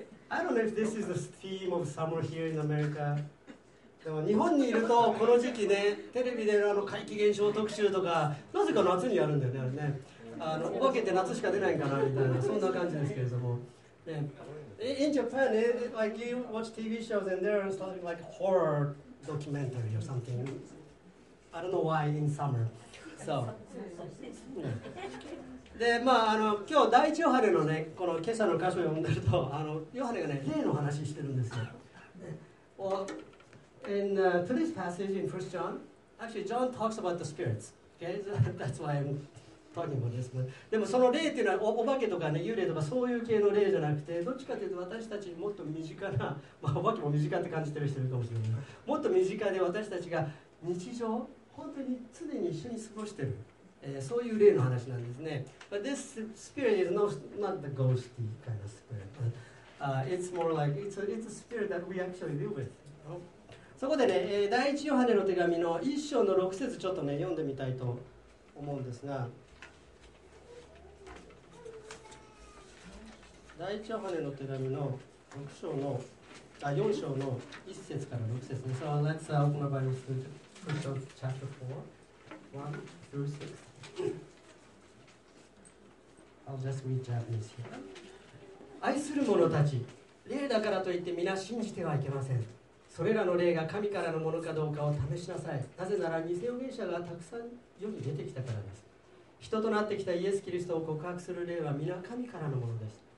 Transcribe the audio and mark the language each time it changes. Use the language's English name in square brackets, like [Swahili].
[English] I don't know if this is the theme of summer here in America. [Japanese] でも日本にいるとこの時期ね、テレビであの怪奇現象特集とか、なぜか夏にやるんだよね、あれね。あのお化けって夏しか出ないかなみたいな、そんな感じですけれども。 [English] ね、In Japan, it, like you watch TV shows and there is something like horror documentary or something. I don't know why in summer. So. [Japanese] で、まあ、あの今日第一ヨハネのね、この今朝の箇所を読んでると、あのヨハネがね、例の話してるんですよ。 [English] おIn today's passage in 1 John, actually John talks about the spirits. Okay, so that's why I'm talking about this. But, [Japanese] でもその霊っていうのは お化けとかね幽霊とかそういう系の霊じゃなくて、どっちかというと私たちにもっと身近な、まあお化けも身近って感じてる人いるかもしれない。もっと身近で私たちが日常本当に常に一緒に過ごしてる、そういう霊の話なんですね。 [English] But this spirit is not the ghosty kind of spirit. But, it's more like it's a spirit that we actually live with. [Japanese] そこでね、第一ヨハネの手紙の1章の6節ちょっとね、読んでみたいと思うんですが、第一ヨハネの手紙の6章の、あ、4章の1節から6節ね。 [English] So let's open up our Bible to 1 John chapter 4, 1 through 6. I'll just read Japanese here. [Japanese] 愛する者たち、霊だからといって皆信じてはいけません。それらの霊が神からのものかどうかを試しなさい。なぜなら偽預言者がたくさん世に出てきたからです。人となってきたイエス・キリストを告白する霊は皆神からのものです。